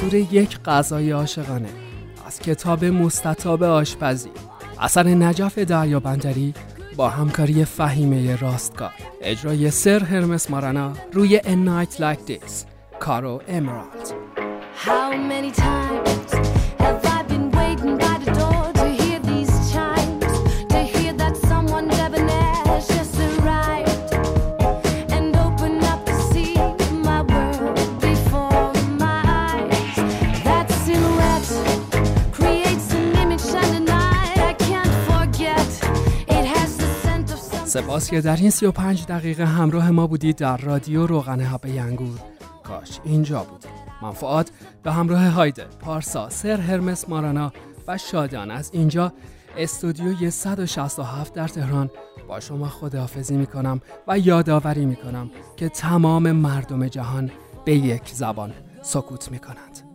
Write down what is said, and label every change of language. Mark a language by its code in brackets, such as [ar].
[fa] یک غذای عاشقانه، از کتاب مستطاب آشپزی، اثر نجف دریابندی با همکاری فهیمه راستگار، اجرای سر هرمس مارانا روی A Night Like This، کارو امرالد. [en] How many times have I been waiting by the door to hear these chimes, to hear that someone debonair just arrived and open up to see my world before my eyes. That silhouette creates an image and a night I can't forget. It has the scent of something. [fa] سپاس که در این 35 دقیقه همراه ما بودید در رادیو روغن حبه‌ی انگور. کاش اینجا بود. من فؤاد به همراه هایده، پارسا، سر هرمس مارانا و شادان از اینجا استودیوی 167 در تهران با شما خداحافظی میکنم و یادآوری میکنم که تمام مردم جهان به یک زبان سکوت میکنند.